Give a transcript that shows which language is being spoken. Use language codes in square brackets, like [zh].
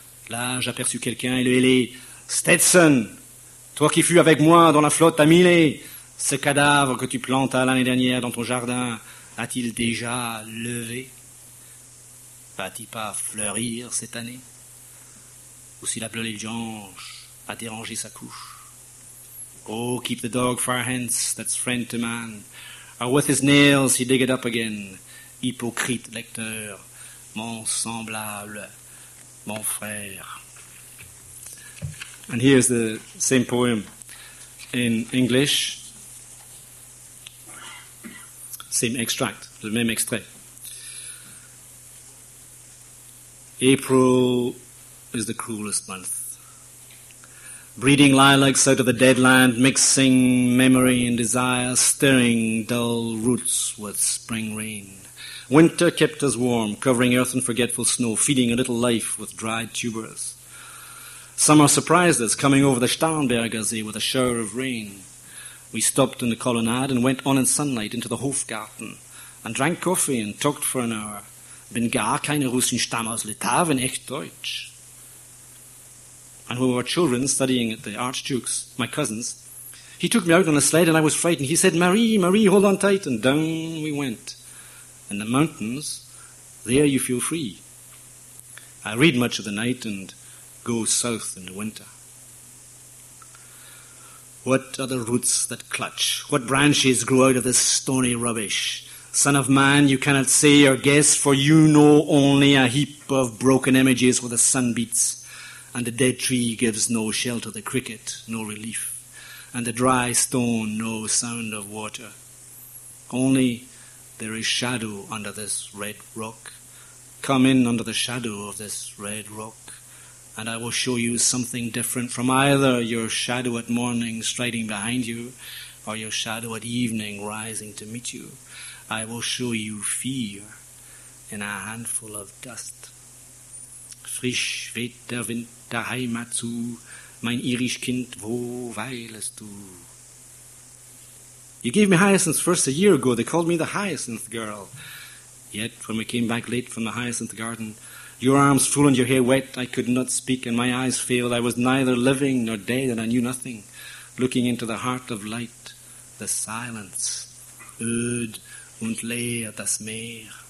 [fr] Là, j'aperçus quelqu'un et le hélé. Stetson, toi qui fus avec moi dans la flotte à Millet, ce cadavre que tu plantas l'année dernière dans ton jardin, a-t-il déjà levé? Va-t-il pas fleurir cette année? Ou si la bleue légeance a dérangé sa couche? [en] Oh, keep the dog far hence, that's friend to man. Or with his nails he digged up again. [fr] Hypocrite lecteur, mon semblable. Mon frère. [en] And here's the same poem in English. Same extract, [fr] le même extrait. [en] April is the cruelest month. Breeding lilacs out of the dead land, mixing memory and desire, stirring dull roots with spring rain. Winter kept us warm, covering earth in forgetful snow, feeding a little life with dried tubers. Summer surprised us, coming over the Starnbergersee with a shower of rain. We stopped in the colonnade and went on in sunlight into the Hofgarten and drank coffee and talked for an hour. [de] Bin gar keine Russin stamm aus Litauen, echt Deutsch. [en] And when we were children studying at the Archduke's, my cousin's, he took me out on a sled and I was frightened. He said, Marie, Marie, hold on tight. And down we went. In the mountains, there you feel free. I read much of the night and go south in the winter. What are the roots that clutch? What branches grow out of this stony rubbish? Son of man, you cannot say or guess, for you know only a heap of broken images where the sun beats, and the dead tree gives no shelter, the cricket no relief, and the dry stone no sound of water. Only there is shadow under this red rock. Come in under the shadow of this red rock, and I will show you something different from either your shadow at morning striding behind you or your shadow at evening rising to meet you. I will show you fear in a handful of dust. [de] Frisch weht der Wind der Heimat zu, mein irisch Kind, wo weilest du? [en] You gave me hyacinths first a year ago. They called me the hyacinth girl. Yet when we came back late from the hyacinth garden, your arms full and your hair wet, I could not speak and my eyes failed. I was neither living nor dead and I knew nothing. Looking into the heart of light, the silence, [de] öd und leer das Meer.